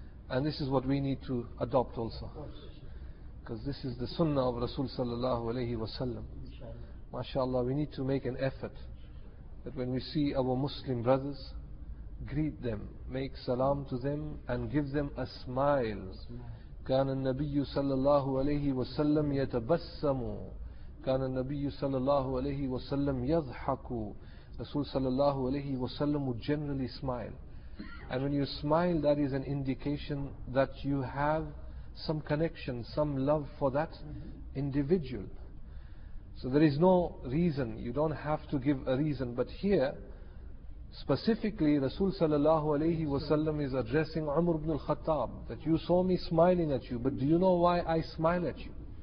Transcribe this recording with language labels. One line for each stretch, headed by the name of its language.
English: And this is what we need to adopt also. Because this is the sunnah of Rasul sallallahu alayhi wa sallam. MashaAllah, we need to make an effort that when we see our Muslim brothers, greet them, make salam to them and give them a smile.
Arabic: كان النبي صلى الله عليه وسلم يتبسم كان النبي صلى الله عليه وسلم يضحك رسول صلى الله عليه وسلم
English: would generally smile. And when you smile, that is an indication that you have some connection, some love for that individual. So there is no reason, you don't have to give a reason. But here, specifically, Rasul sallallahu alayhi wa sallam is addressing Umar ibn al-Khattab, that you saw me smiling at you, but do you know why I smile at you?